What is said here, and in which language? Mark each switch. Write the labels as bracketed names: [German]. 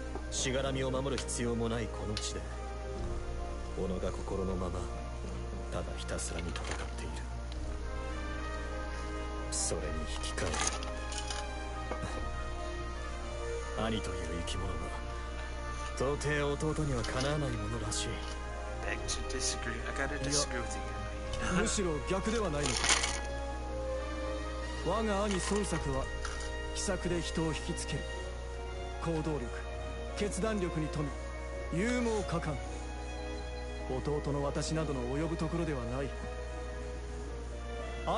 [Japanese] しがらみを守る必要もないこの地で己が心のままただひたすらに戦っている。それに引き換え兄という生き物は到底弟にはかなわないものらしい。 [English] Beg to disagree. I gotta disagree with you. [Japanese] むしろ逆ではないのか。我が兄孫作は気さくで人を引きつける。行動力、決断力に富み、勇猛果敢。弟の私などの及ぶところではない。